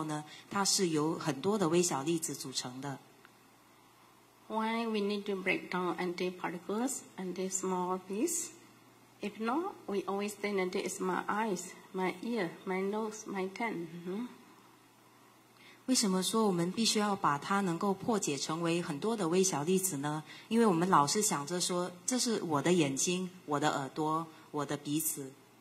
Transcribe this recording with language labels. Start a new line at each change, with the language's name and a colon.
Chinese: 当我们专注在渗透到我们的身体里面的时候，就能够知道说我们的体内有32身分。那我们必须要知道内在和外在的32身分。那这个32身分呢，我在接下来我们必须要用这个世界分别观的方法把它给破解、破开，成为究竟色法，能够看到呢，它是由很多的微小粒子组成的。
English: Why we need to break down into particles and this small piece? If not, we always think that this is my eyes, my ear, my nose, my tongue. Mm-hmm.
Chinese: 为什么说我们必须要把它能够破解成为很多的微小粒子呢？因为我们老是想着说，这是我的眼睛、我的耳朵、我的鼻子。